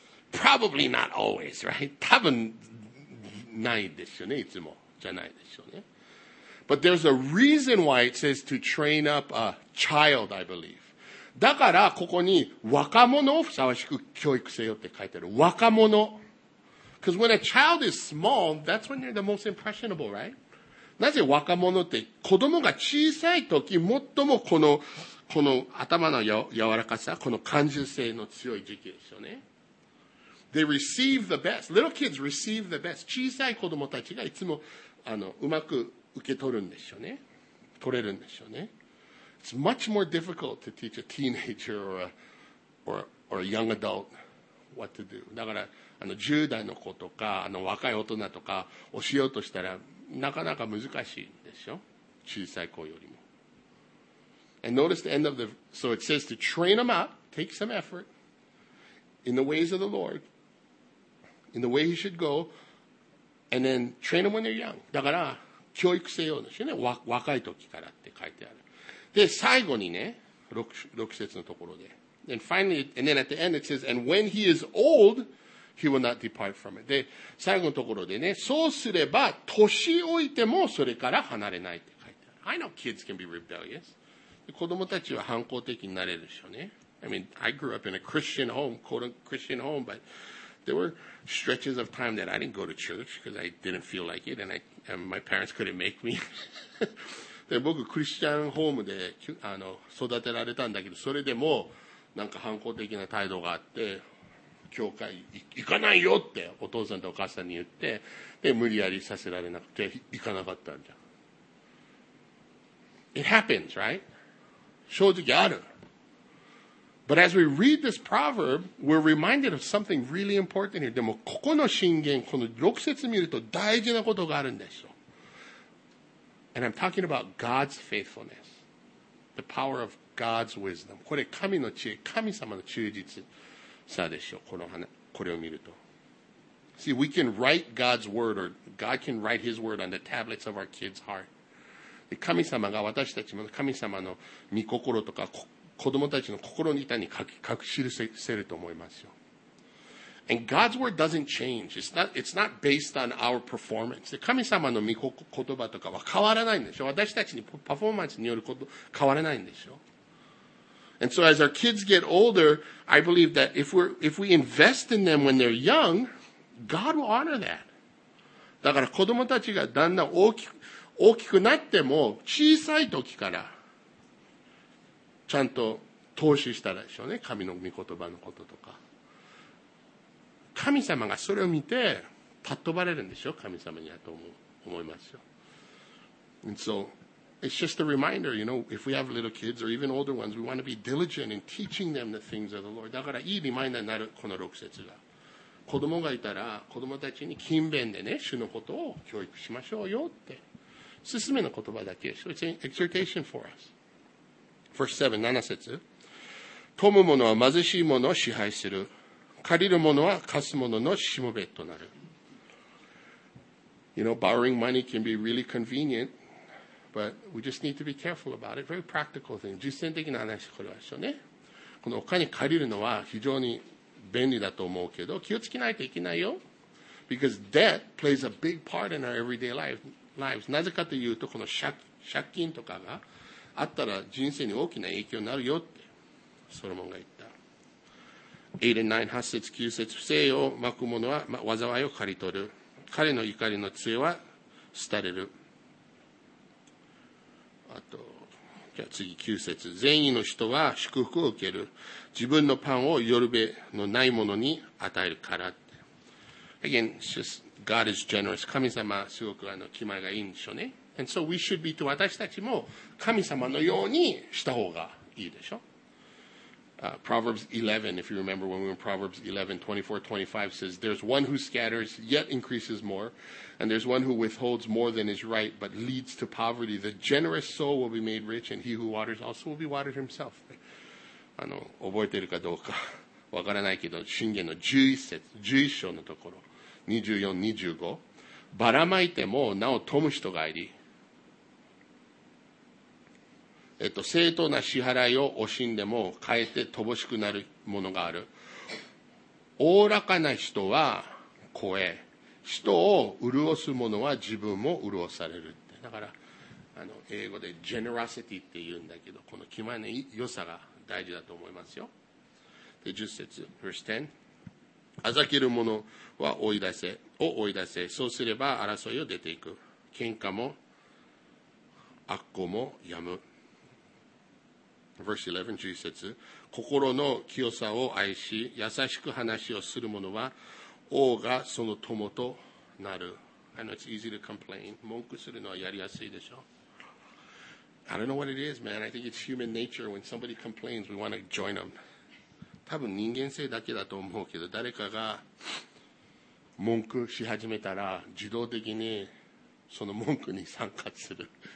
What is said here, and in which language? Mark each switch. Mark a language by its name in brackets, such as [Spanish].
[English] Probably not always, right? [Japanese] 多分ないでしょうね、いつもじゃないでしょうね。 [English] But there's a reason why it says to train up a child, I believe. [Japanese] だからここに若者をふさわしく教育せよって書いてある。若者。 [English] Because when a child is small, that's when they're the most impressionable, right? [Japanese] なぜ若者って子供が小さい時最もこの頭の柔らかさ、この感受性の強い時期ですよね。 [English] They receive the best. Little kids receive the best. [Japanese] 小さい子供たちがいつもうまく受け取るんでしょうね。取れるんでしょうね。 [English] It's much more difficult to teach a teenager or a young adult what to do. [Japanese] だから10代の子とか若い大人とか教えようとしたらなかなか難しいんでしょ。小さい子よりも。 [English] And notice the end of the... So it says to train them up, take some effort in the ways of the Lord, in the way he should go, and then train them when they're young. [Japanese] だから、教育せようですよね。若い時からって書いてある。で、最後にね、6節のところで。 [English] And finally, and then at the end it says, and when he is old, he will not depart from it. [Japanese] で、最後のところでね、そうすれば、年老いてもそれから離れないって書いてある。 [English] I know kids can be rebellious. [Japanese] 子供たちは反抗的になれるでしょうね。 [English] I mean, I grew up in a Christian home, quote unquote Christian home, but there were stretches of time that I didn't go to church because I didn't feel like it, and my parents couldn't make me. [Japanese] で、僕、クリスチャンホームで育てられたんだけど、それでも、なんか反抗的な態度があって、教会行かないよってお父さんとお母さんに言って、で、無理やりさせられなくて、行かなかったんじゃん。 [English] It happens, right? [Japanese] 正直ある。 [English] But as we read this proverb, we're reminded of something really important here. [Japanese] でもここの箴言、この6節見ると大事なことがあるんですよ。 [English] And I'm talking about God's faithfulness. the power of God's wisdom. [Japanese] これ神の知恵、神様の忠実さでしょう。この話、これを見ると。 [English] See, we can write God's word, or God can write His word on the tablets of our kids' heart. [Japanese] で、神様が私たちも神様の御心とか子供たちの心の板に書き記せると思いますよ。 [English] And God's word doesn't change. It's not based on our performance. [Japanese] 神様の御言葉とかは変わらないんでしょ。私たちにパフォーマンスによること変わらないんでしょ。 [English] And so as our kids get older, I believe that if we invest in them when they're young, God will honor that. [Japanese] だから子供たちがだんだん大きくなっても小さい時からちゃんと投資したらでしょうね。神の御言葉のこととか。神様がそれを見て、たっ飛ばれるんでしょ、神様にはと思いますよ。 [English] And so, it's just a reminder, you know, if we have little kids or even older ones, we want to be diligent in teaching them the things of the Lord. [Japanese] だからいいリマインダーになる、この6節が。子供がいたら、子供たちに勤勉でね、主のことを教育しましょうよって。すすめの言葉だけでしょ。 [English] It's an exhortation for us. Verse 7, 7節。 [Japanese] 富む者は貧しい者を支配する。借りるものは貸すもののしもべとなる。 [English] You know, borrowing money can be really convenient, but we just need to be careful about it. Very practical thing. [Japanese] 実践的な話これはしょね。このお金借りるのは非常に便利だと思うけど、気をつけないといけないよ。 [English] Because debt plays a big part in our everyday lives. [Japanese] なぜかというと、この借金とかがあったら人生に大きな影響になるよって、ソロモンが言った。 [English] 8and 9, [Japanese] 8節9節不正を巻く者は災いを刈り取る。彼の怒りの杖は廃れる。あと、じゃあ次9節。善意の人は祝福を受ける。自分のパンをよるべのない者に与えるからって。 [English] Again, it's just, God is generous. [Japanese] 神様はすごく気前がいいんでしょうね。 [English] And so we should be to [Japanese] 私たちも神様のようにした方がいいでしょ。 [English] Proverbs 11, if you remember when we were in Proverbs 11, 24, 25 says, there's one who scatters, yet increases more, and there's one who withholds more than is right, but leads to poverty. The generous soul will be made rich, and he who waters also will be watered himself. [Japanese] 覚えてるかどうか分からないけど、箴言の11章のところ、24、25。ばらまいてもなお富む人がいり。正当な支払いを惜しんでも、かえって乏しくなるものがある。おおらかな人は肥え、人を潤す者は自分も潤されるって。だから、英語でジェネロシティって言うんだけど、この気前の良さが大事だと思いますよ。で、10節、 [English] verse 10。 [Japanese] あざける者は追い出せ、そうすれば争いを出ていく。喧嘩も悪行も止む。 [English] Verse 11, [Japanese] 注意説。心の清さを愛し、優しく話をする者は、王がその友となる。 [English] I know it's easy to complain. [Japanese] 文句するのはやりやすいでしょ。 [English] I don't know what it is, man. I think it's human nature. When somebody complains, we want to join them. [Japanese] 多分人間性だけだと思うけど、誰かが文句し始めたら、自動的にその文句に参加する。